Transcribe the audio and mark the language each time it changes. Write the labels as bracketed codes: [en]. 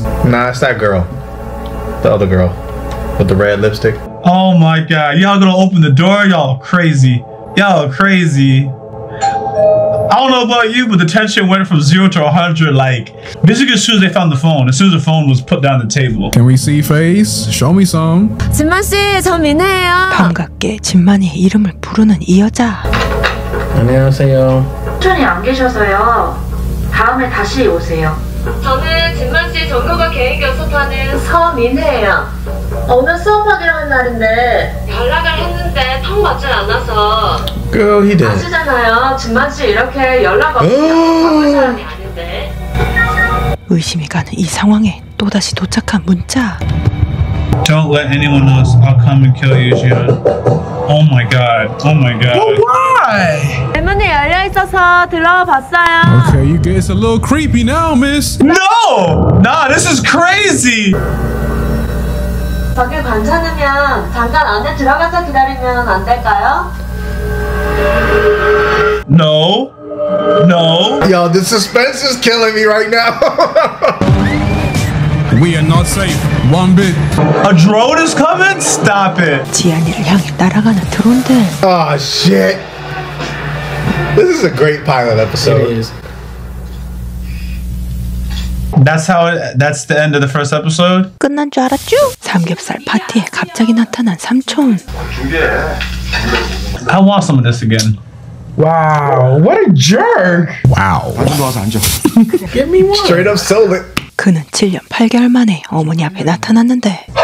[en] Nah, it's that girl. The other girl with the red lipstick. Oh my god. Y'all gonna open the door? Y'all crazy. Y'all crazy. I don't know about you, but the tension went from 0 to 100, like, basically as soon as they found the phone, as soon as the phone was put down the table. Can we see face? Show me some. [ko] 진만씨, 저 민혜예요. 반갑게 진만이 이름을 부르는 이 여자. 안녕하세요. 촌이 안 계셔서요. 다음에 다시 오세요. 저는 진만씨 전공과 개인 연습하는 서민혜예요. 오늘 수업하기로 한 날인데 연락을 했는데 턱 맞진 않아서. [en] Girl, he did. [ko] 아시잖아요. 진만씨 이렇게 연락 없으면 바쁜 사람이 아닌데. 의심이 가는 이 상황에 또다시 도착한 문자. [en] Don't let anyone else. I'll come and kill you, Gian. Oh my god. Oh my god. But why? [ko] 대문이 열려 있어서 들어와 봤어요. [en] Okay, you guys a little creepy now, miss. No! Nah, this is crazy. [ko] 밖에 괜찮으면 잠깐 안에 들어가서 기다리면 안 될까요? [en] No. No. Yo, the suspense is killing me right now. We are not safe. One bit. A drone is coming? Stop it. [ko] 지안이를 향해 따라가는 드론들. [en] Oh, shit. This is a great pilot episode. It is. That's how it, that's the end of the first episode? [ko] 끝난 줄 알았죠? 삼겹살 파티에 갑자기 나타난 삼촌. [en] I want some of this again. Wow, what a jerk. Wow. Give me one. Straight up sold it. [ko] 그는 7년 8개월 만에 어머니 앞에 나타났는데.